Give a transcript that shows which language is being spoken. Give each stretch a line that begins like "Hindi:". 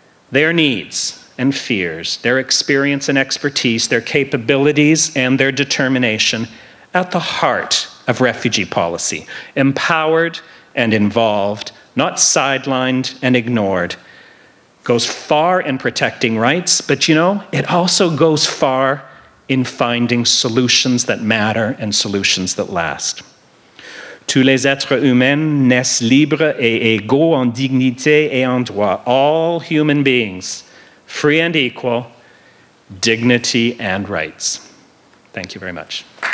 English: their needs and fears, their experience and expertise, their capabilities and their determination at the heart of refugee policy, empowered and involved, not sidelined and ignored, goes far in protecting rights, but you know, it also goes far in finding solutions that matter and solutions that last.
French: Tous les êtres humains naissent libres et égaux en dignité et en droit.
English: All human beings, free and equal, dignity and rights. Thank you very much.